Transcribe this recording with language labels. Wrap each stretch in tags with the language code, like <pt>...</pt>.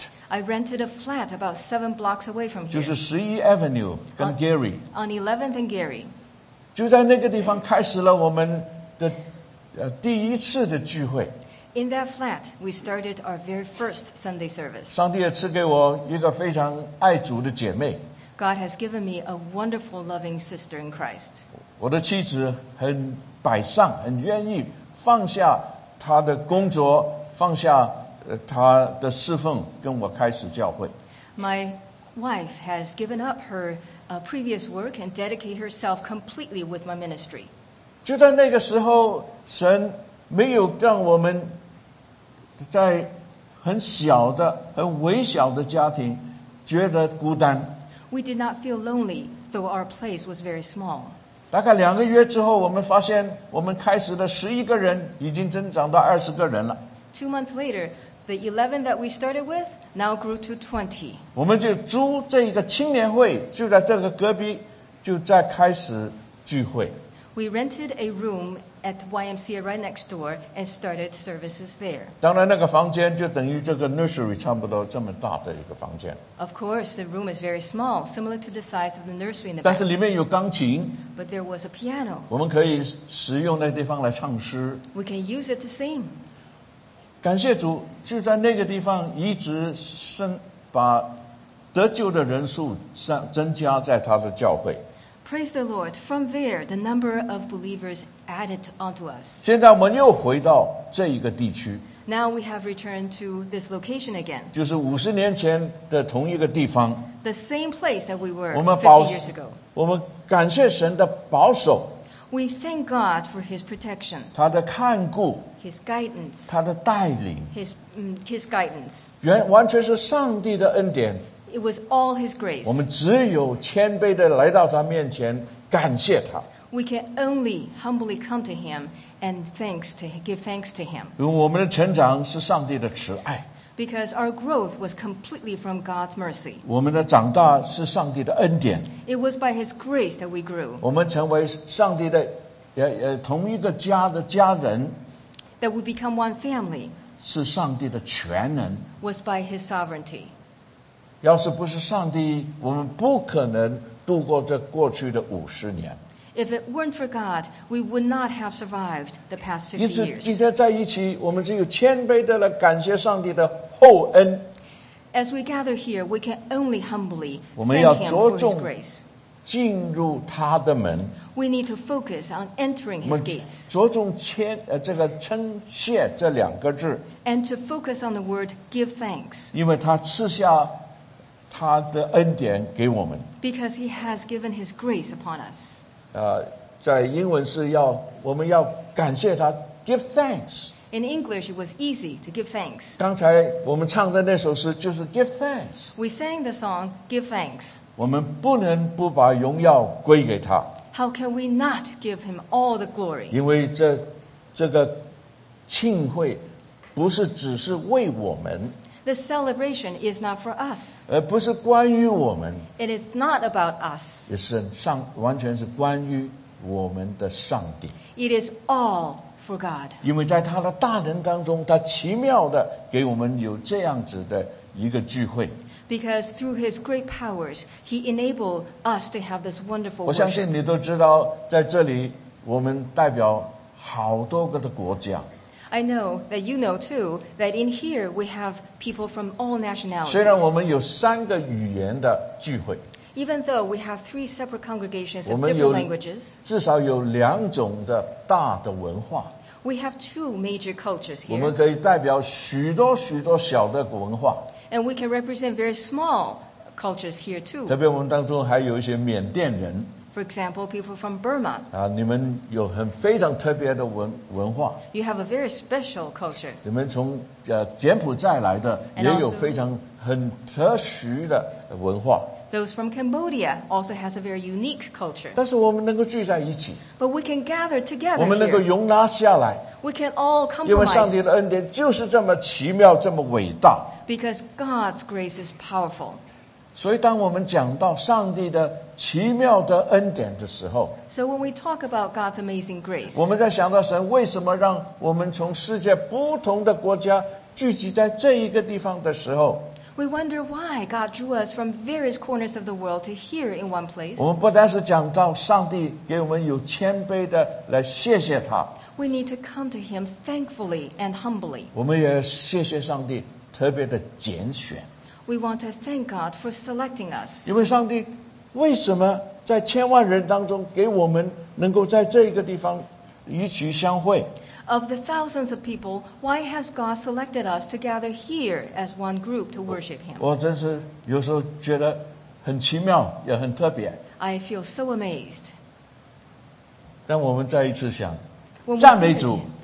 <en>I rented a flat about seven blocks away from here</en> <zh>就是 11th Avenue 跟 Gary</zh> <en>On 11th and Gary</en> <zh>就在那个地方开始了我们的第一次的聚会。</zh> <en>In that flat, we started our very first Sunday service.</en> <zh>上帝也赐给我一个非常爱主的姐妹。</zh> <en>God has given me a wonderful loving sister in Christ.</en> <zh>我的妻子很摆上，很愿意放下她的工作，放下她的侍奉，跟我开始教会。</zh> <en>My wife has given up her previous work and dedicate herself completely with my ministry.</en> <zh>就在那个时候，神没有让我们在很小的、很微小的家庭觉得孤单。</zh> <en>We did not feel lonely, though our place was very small.</en> <zh>大概两个月之后，我们发现我们开始的11个人已经增长到20个人了。</zh> <en>2 months later, the 11 that we started with now grew to 20.</en> <zh>我们就租这一个青年会，就在这个隔壁，就在开始聚会。</zh> <en>We rented a room at YMCA right next door and started services there.</en> <zh>当然，那个房间就等于这个 nursery 差不多这么大的一个房间。</zh> <en>Of course, the room is very small, similar to the size of the nursery in the.</en> <zh>但是里面有钢琴。</zh> <en>But there was a piano.</en> <zh>我们可以使用那地方来唱诗。</zh> <en>We can use it to sing.</en> <zh>感谢主，就在那个地方一直生把得救的人数增加在他的教会。</zh> <en>Praise the Lord! From there, the number of believers added onto us.</en> <zh>现在我们又回到这一个地区。</zh> <en>Now we have returned to this location again.</en> <zh>就是50年前的同一个地方。</zh> <en>The same place that we were 50 years ago.</en> <zh>我们感谢神的保守。</zh> <en>We thank God for His protection.</en> <zh>他的看顾。</zh> <en>His guidance.</en> <zh>他的带领。</zh> <en>His guidance.</en> <zh>完全是上帝的恩典。</zh> <en>It was all His grace.</en> <zh>我们只有谦卑地来到他面前，感谢他。</zh> <en>We can only humbly come to Him and give thanks to Him.</en> <zh>因为我们的成长是上帝的慈爱。</zh> <en>Because our growth was completely from God's mercy.</en> <zh>我们的长大是上帝的恩典。</zh> <en>It was by His grace that we grew.</en> <zh>我们成为上帝的同一个家的家人。</zh> <en>That we become one family.</en> <zh>是上帝的全能。</zh> <en>Was by His sovereignty.</en> <zh>要是不是上帝，我们不可能度过这过去的50年。</zh> <en>If it weren't for God, we would not have survived the past 50 years.</en> <zh>因此今天在一起，我们只有谦卑地来感谢上帝的厚恩。</zh> <en>As we gather here, we can only humbly thank Him for His grace.</en> <zh>我们要着重进入他的门。</zh> <en>We need to focus on entering His gates.</en> <zh>着重谦这个称谢这两个字。</zh> <en>And to focus on the word give thanks.</en> <zh>因为他赐下他的恩典给我们。</zh> <en>Because He has given His grace upon us.</en> <zh>在英文是要我们要感谢他</zh> <en>give thanks. In English, it was easy to give thanks.</en> <zh>刚才我们唱的那首诗就是</zh> <en>give thanks. We sang the song give thanks.</en> <zh>我们不能不把荣耀归给他。</zh> <en>How can we not give him all the glory?</en> <zh>因为这个庆会不是只是为我们。</zh> <en>The celebration is not for us.</en> <zh>而不是关于我们。</zh> <en>It is not about us.</en> <zh>也是上完全是关于我们的上帝。</zh> <en>It is all for God.</en> <zh>因为在他的大能当中，他奇妙的给我们有这样子的一个聚会。</zh> <en>Because through His great powers, He enabled us to have this wonderful worship.</en> <zh>我相信你都知道，在这里我们代表好多个的国家。</zh> <en>I know that you know too that in here we have people from all nationalities.</en> <zh>虽然我们有三个语言的聚会。</zh> <en>Even though we have three separate congregations of different languages,</en> <zh>至少有两种的大的文化。</zh> <en>We have two major cultures here.</en> <zh>我们可以代表许多许多小的文化。</zh> <en>And we can represent very small cultures here too.</en> <zh>特别我们当中还有一些缅甸人。</zh> <en>For example, people from Burma.</en> <zh>啊，你们有很非常特别的文化。</zh> <en>You have a very special culture.</en> <zh>你们从柬埔寨来的也有非常很特殊的文化。</zh> <en>Those from Cambodia also has a very unique culture.</en> <zh>但是我们能够聚在一起。</zh> <en>But we can gather together here.</en> <zh>我们能够容纳下来。</zh> <en>We can all compromise.</en> <zh>因为上帝的恩典就是这么奇妙，这么伟大。</zh> <en>Because God's grace is powerful.</en> <zh>所以当我们讲到上帝的奇妙的恩典的时候。</zh> <en>So when we talk about God's amazing grace.</en> <zh>我们在想到神为什么让我们从世界不同的国家聚集在这一个地方的时候。</zh> <en>We wonder why God drew us from various corners of the world to here in one place.</en> <zh>我们不单是讲到上帝给我们有谦卑的来谢谢他。</zh> <en>We need to come to him thankfully and humbly.</en> <zh>我们也谢谢上帝特别的拣选。</zh> <en>We want to thank God for selecting us.</en> <zh>因为上帝为什么在千万人当中给我们能够在这一个地方与其相会。</zh> <en>Of the thousands of people, why has God selected us to gather here as one group to worship Him?</en> <zh>我真是有时候觉得很奇妙，也很特别。</zh> <en>I feel so amazed.</en> <zh>让我们再一次想，赞美主。</zh>